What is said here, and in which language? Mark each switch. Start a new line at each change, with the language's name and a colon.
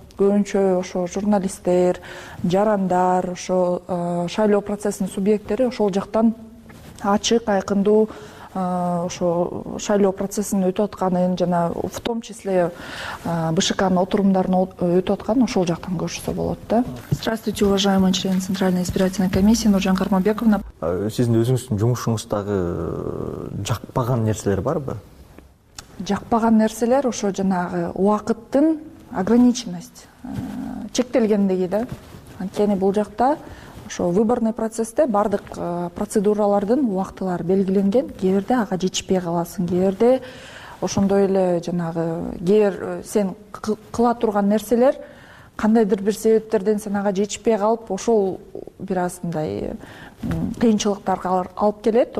Kyrgyz: Көбүнчө ошо журналисттер, жарандар, ошо шайлоо процессинин субъекттери ошол жактан ачык, айкындуу ошо шайлоо процессинин өтүп атканын жана
Russian: в том числе
Kyrgyz: БШКнын отурумдарын өтүп атканын ошол жактан көрүшсө болот да.
Russian: Здравствуйте, уважаемый член Центральной избирательной комиссии Нуржан Кармабековна.
Kyrgyz: Сиздин өзүңүздүн жумушуңуздагы жакпаган нерселер барбы? Жакпаган нерселер ошо жанагы убакыттын ограниченность, чектелгендиги да. Анткени бул жакта ошо выборный процессте баардык процедуралардын убактылары белгиленген, кээ бирде ага жетишпей каласың, кээ бирде ошондой эле жанагы кээ сен кыла турган нерселер кандайдыр бир себептерден сен ага жетишпей калып ошол бир аз мындай кыйынчылыктарга алып келет.